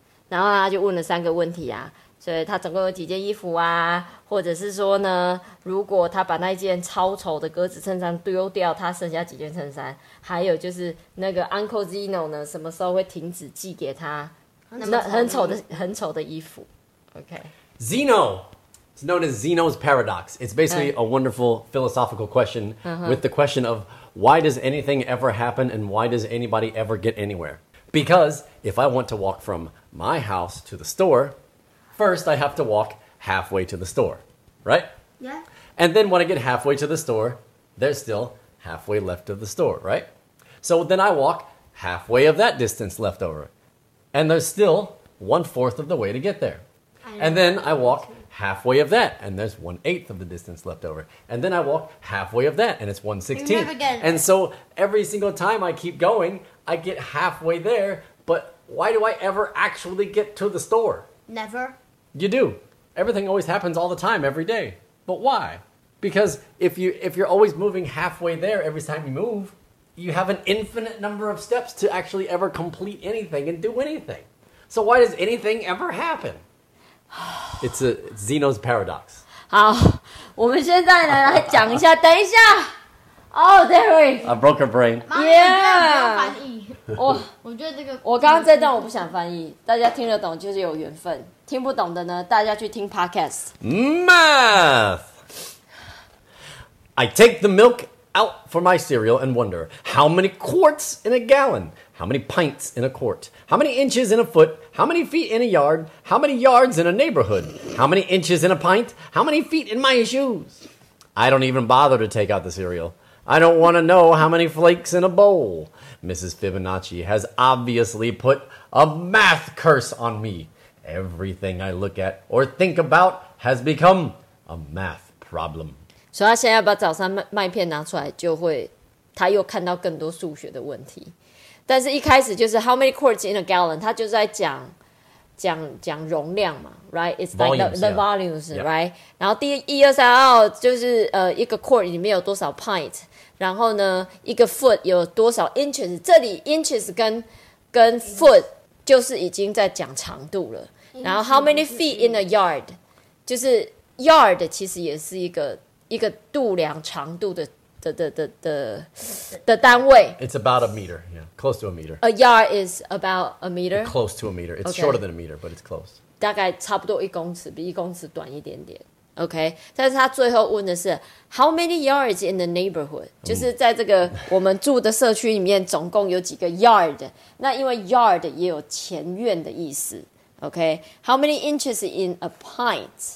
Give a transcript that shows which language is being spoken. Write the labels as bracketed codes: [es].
[zh] 然后他就问了三个问题啊，所以他总共有几件衣服啊，或者是说呢，如果他把那件超丑的格子衬衫丢掉，他剩下几件衬衫，还有就是那个 Uncle Zeno 呢什么时候会停止寄给他那很丑的很丑的衣服。 [en] OK, Zeno, it's known as Zeno's paradox. It's basically a wonderful philosophical question with the question of why does anything ever happen and why does anybody ever get anywhere? Because if I want to walk from my house to the store, first I have to walk halfway to the store, right? Yeah. And then when I get halfway to the store, there's still halfway left of the store, right? So then I walk halfway of that distance left over. And there's still 1/4 of the way to get there. And then I walk halfway of that, and there's 1/8 of the distance left over. And then I walk halfway of that, and it's 1/16. And so every single time I keep going, I get halfway there, but why do I ever actually get to the store? Never. You do. Everything always happens all the time, every day. But why? Because if you're always moving halfway there every time you move,You have an infinite number of steps to actually ever complete anything and do anything. So why does anything ever happen? It's a Zeno's paradox. [zh] 好，我们现在呢来讲一下。等一下 ，Oh, Derek, [en] I broke her brain. [zh] Yeah. 妈，你居然没有翻译。我觉得这个，我刚刚这段我不想翻译。大家听得懂就是有缘分，听不懂的呢，大家去听 podcast. [en] Math. I take the milk. Out for my cereal and wonder how many quarts in a gallon, how many pints in a quart, how many inches in a foot, how many feet in a yard, how many yards in a neighborhood, how many inches in a pint, how many feet in my shoes. I don't even bother to take out the cereal. I don't want to know how many flakes in a bowl. Mrs. Fibonacci has obviously put a math curse on me. Everything I look at or think about has become a math problem. [zh] 所以他现在要把早餐麦片拿出来，就会他又看到更多数学的问题。但是一开始就是 [en] how many quarts in a gallon， [zh] 他就在讲容量嘛 ，right？ [en] It's like the volumes， right？ Yeah. [zh] 然后第一二三号就是一个 quart 里面有多少 pint， 然后呢一个 foot 有多少 inches， 这里 inches 跟 foot 就是已经在讲长度了。然后 [en] how many feet in a yard， [zh] 就是 yard 其实也是一个度量长度的单位。 [en] It's about a meter, yeah, close to a meter. A yard is about a meter. Close to a meter. It's shorter than a meter, but it's close. [zh] 大概差不多一公尺，比一公尺短一点点。 OK， 但是他最后问的是 [en] How many yards in the neighborhood？ [zh] 就是在这个我们住的社区里面，总共有几个 yard？那因为 yard 也有前院的意思。OK， [en] How many inches in a pint？